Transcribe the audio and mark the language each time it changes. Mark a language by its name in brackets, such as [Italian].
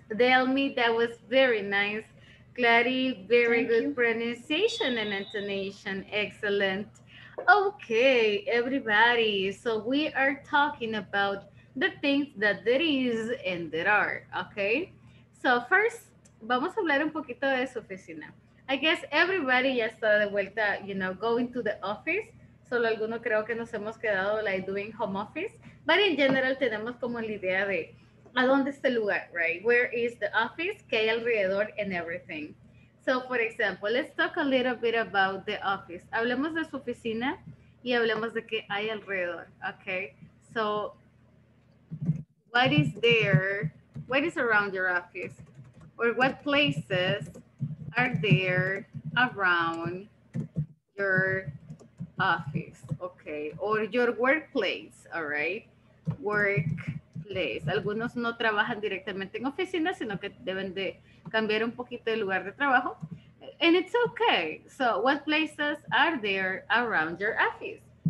[English] Delmi, that was very nice. Clary, very Thank good you. Pronunciation and intonation. Excellent. Okay, everybody. So we are talking about the things that there is and there are, okay? So first, [Spanish] vamos a hablar un poquito de su oficina. [English] I guess everybody [Spanish] ya está de vuelta, [English] you know, going to the office. [Spanish] Solo alguno creo que nos hemos quedado [English] like doing home office. But in general, [Spanish] tenemos como la idea de a dónde está el lugar, right? [English] Where is the office? [Spanish] ¿Qué hay alrededor? [English] And everything. So for example, let's talk a little bit about the office. [Spanish] Hablemos de su oficina y hablemos de qué hay alrededor, okay? [English] So what is there? What is around your office? Or what places are there around your office? Okay. Or your workplace. All right. Workplace. [Spanish] Algunos no trabajan directamente en oficinas, sino que deben de cambiar un poquito de lugar de trabajo. [English] And it's okay. So what places are there around your office?